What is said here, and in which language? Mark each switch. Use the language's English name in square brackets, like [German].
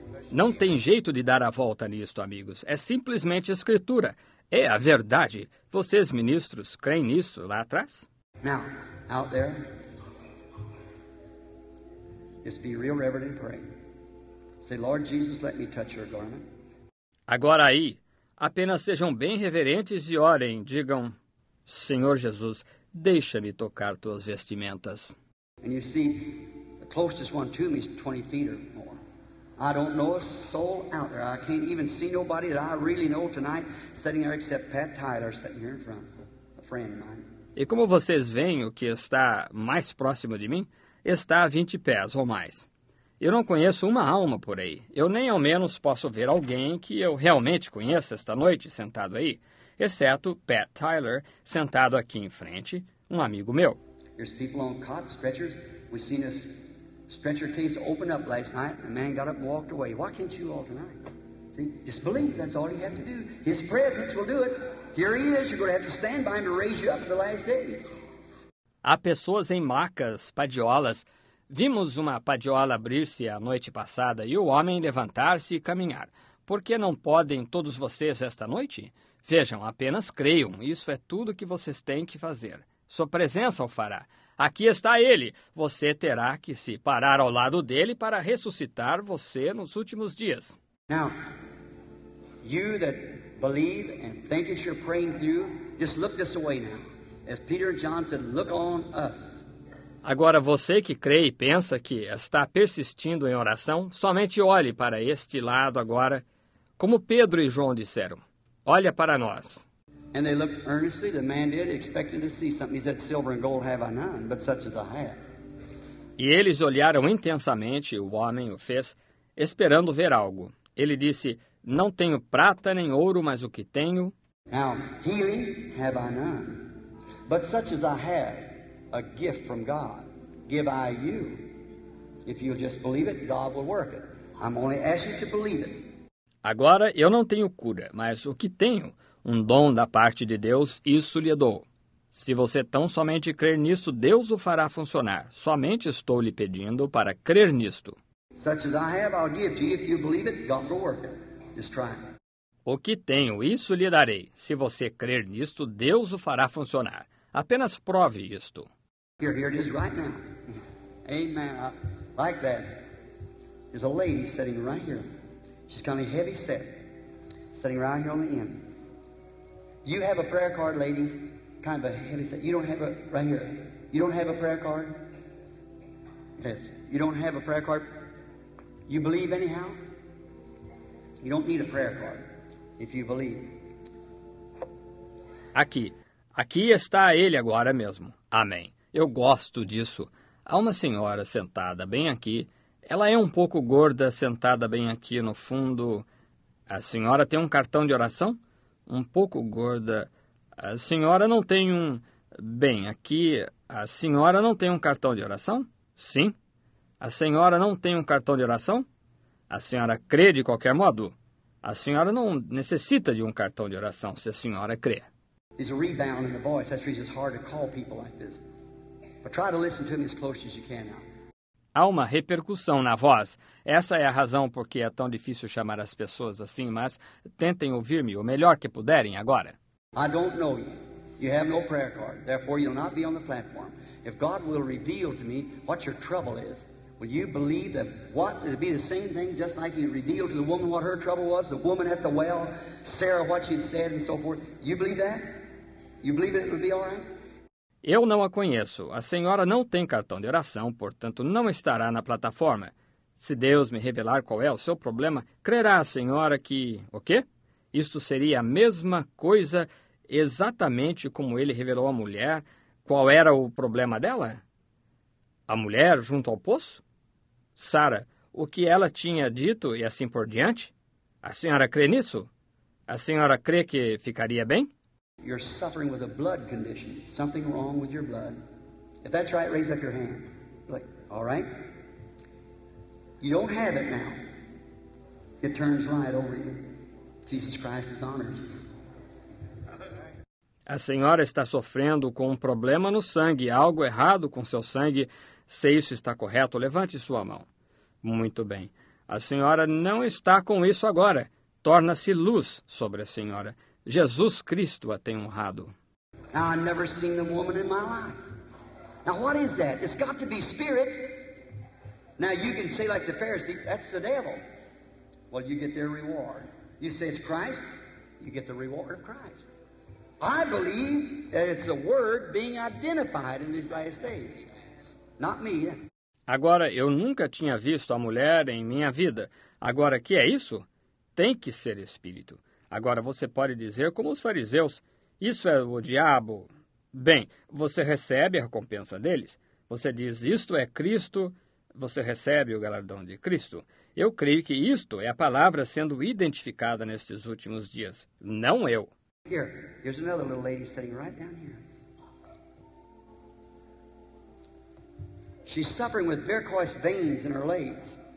[Portuguese] Não tem jeito de dar a volta nisto, amigos. É simplesmente a Escritura. É a verdade. Vocês, ministros, creem nisso lá atrás? [English] Now, out there, just be real reverent and pray. Say, Lord Jesus, let me touch your garment. [Portuguese] Agora aí, apenas sejam bem reverentes e orem. Digam, Senhor Jesus, deixa-me tocar tuas vestimentas. [English] And you see, the closest one to me is 20 feet or more. I don't know a soul out there. I can't even see nobody that I really know tonight sitting there except Pat Tyler sitting here in front, a friend of mine. [Portuguese] E como vocês veem o que está mais próximo de mim? Está a 20 pés ou mais. Eu não conheço uma alma por aí. Eu nem ao menos posso ver alguém que eu realmente conheça esta noite sentado aí, exceto Pat Tyler sentado aqui em frente, um amigo meu. [English] There's people on cots, stretchers. We seen a stretcher case open up last night, and a man got up and walked away. Why can't you all tonight? See, just believe. That's all you have to do. His presence will do it. Here he is. You're going to have to stand by him to raise you up in the last days. [Portuguese] Há pessoas em macas, padiolas. Vimos uma padiola abrir-se a noite passada e o homem levantar-se e caminhar. Por que não podem todos vocês esta noite? Vejam, apenas creiam. Isso é tudo que vocês têm que fazer. Sua presença o fará. Aqui está ele. Você terá que se parar ao lado dele para ressuscitar você nos últimos dias. [English] Now, you that believe and think that you're praying through, just look this way now. As Peter and John said, look on us. [Portuguese] Agora, você que crê e pensa que está persistindo em oração, somente olhe para este lado agora, como Pedro e João disseram. Olha para nós. [English] And they looked earnestly, the man did, expecting to see something. He said, silver and gold have I none, but such as I have. [Portuguese] E eles olharam intensamente, o homem o fez, esperando ver algo. Ele disse, não tenho prata nem ouro, mas o que tenho... [English] Now, healing have I none, but such as I have. A gift from God, give I you. If you just believe it, God will work it. I'm only asking you to believe it. [Portuguese] Agora eu não tenho cura, mas o que tenho, um dom da parte de Deus, isso lhe dou. Se você tão somente crer nisso, Deus o fará funcionar. Somente estou lhe pedindo para crer nisto. [English] Such as I have, I'll give to you. If you believe it, God will work it. Just try it. [Portuguese] O que tenho, isso lhe darei. Se você crer nisto, Deus o fará funcionar. Apenas prove isto. [English] Here it is right now. Amen. Like that. There's a lady sitting right here. She's kind of heavy set. Sitting right here on the end. You have a prayer card, lady. Kind of a heavy set. You don't have a, right here. You don't have a prayer card? Yes. You don't have a prayer card? You believe anyhow? You don't need a prayer card if you believe. [Portuguese] Aqui. Aqui está ele agora mesmo. Amém. Eu gosto disso. Há uma senhora sentada bem aqui. Ela é um pouco gorda, sentada bem aqui no fundo. A senhora tem um cartão de oração? Um pouco gorda. A senhora não tem um... Bem, aqui, a senhora não tem um cartão de oração? Sim. A senhora não tem um cartão de oração? A senhora crê de qualquer modo? A senhora não necessita de um cartão de oração se a senhora crê. [English] There's a rebound in the voice. That's the reason it's hard to call people like this. But try to listen to him as close as you can now. [Portuguese] Há uma repercussão na voz. Essa é a razão porque é tão difícil chamar as pessoas assim, mas tentem ouvir-me o melhor que puderem agora. [English] I don't know you. You have no prayer card. Therefore, you'll not be on the platform. If God will reveal to me what your trouble is, will you believe that what it'll be the same thing just like he revealed to the woman what her trouble was, the woman at the well, Sarah, what she'd said and so forth? You believe that? You believe it would be all right? [Portuguese] Eu não a conheço. A senhora não tem cartão de oração, portanto, não estará na plataforma. Se Deus me revelar qual é o seu problema, crerá a senhora que... O quê? Isto seria a mesma coisa exatamente como ele revelou à mulher qual era o problema dela? A mulher junto ao poço? Sara, o que ela tinha dito e assim por diante? A senhora crê nisso? A senhora crê que ficaria bem? [English] You're suffering with a blood condition. Something wrong with your blood. If that's right, raise up your hand. Like, all right? You don't have it now. It turns right over you. Jesus Christ has honored you. [Portuguese] A senhora está sofrendo com um problema no sangue, algo errado com seu sangue. Se isso está correto, levante sua mão. Muito bem. A senhora não está com isso agora. Torna-se luz sobre a senhora. Jesus Cristo a tem honrado. [English] Now, I've never seen a woman in my life. Now, what is that? It's got to be spirit. Now, you can say like the Pharisees, that's the devil. Well, you get their reward. You say it's Christ, you get the reward of Christ. I believe that it's a word being identified in these last days. Not me. [Portuguese] Agora, eu nunca tinha visto a mulher em minha vida. Agora, que é isso? Tem que ser espírito. Agora, você pode dizer como os fariseus, isso é o diabo. Bem, você recebe a recompensa deles. Você diz, isto é Cristo, você recebe o galardão de Cristo. Eu creio que isto é a palavra sendo identificada nestes últimos dias, não eu. [English] Here, here's another little lady sitting right down here. She's suffering with varicose veins in her legs.